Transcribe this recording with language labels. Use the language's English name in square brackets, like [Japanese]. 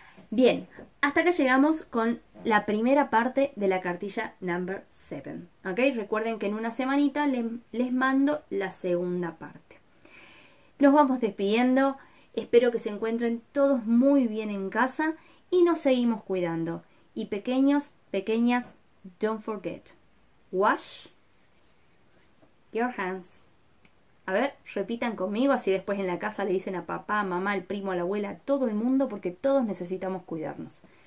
[Spanish] Bien, hasta acá llegamos con la primera parte de la cartilla number 7, ¿ok? Recuerden que en una semanita les mando la segunda parte. Nos vamos despidiendo, espero que se encuentren todos muy bien en casa y nos seguimos cuidando. Y pequeños, pequeñas, [English] don't forget, wash your hands. [Spanish] A ver, repitan conmigo, así después en la casa le dicen a papá, a mamá, al primo, a la abuela, a todo el mundo, porque todos necesitamos cuidarnos.